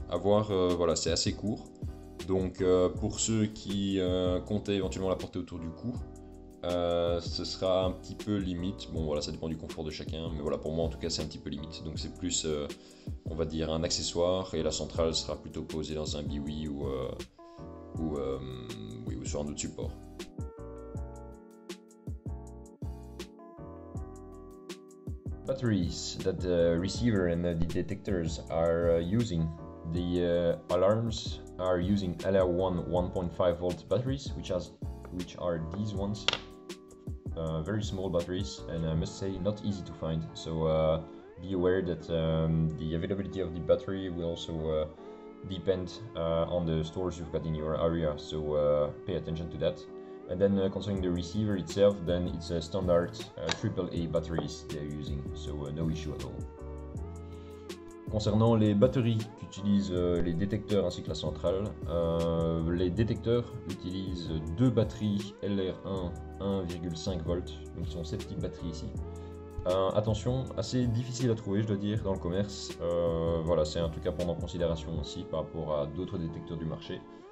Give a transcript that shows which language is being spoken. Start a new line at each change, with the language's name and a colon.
French: À voir, voilà, c'est assez court, donc pour ceux qui comptaient éventuellement la porter autour du cou, ce sera un petit peu limite. Bon voilà, ça dépend du confort de chacun, mais voilà, pour moi en tout cas c'est un petit peu limite, donc c'est plus, on va dire, un accessoire, et la centrale sera plutôt posée dans un biwi ou ou sur un autre support.
English: Batteries that the receiver and the detectors are using. The alarms are using LR1 1.5 volt batteries, which are these ones. Very small batteries, and I must say not easy to find. So be aware that the availability of the battery will also depend on the stores you've got in your area, so pay attention to that. And then concerning the receiver itself, then it's a standard AAA batteries they're using, so no issue at all.
French: Concernant les batteries qu'utilisent les détecteurs ainsi que la centrale, les détecteurs utilisent deux batteries LR1 1,5 volts, donc ils ont cette petite batterie ici. Attention, assez difficile à trouver, je dois dire, dans le commerce. Voilà, c'est en tout cas prendre en considération aussi par rapport à d'autres détecteurs du marché.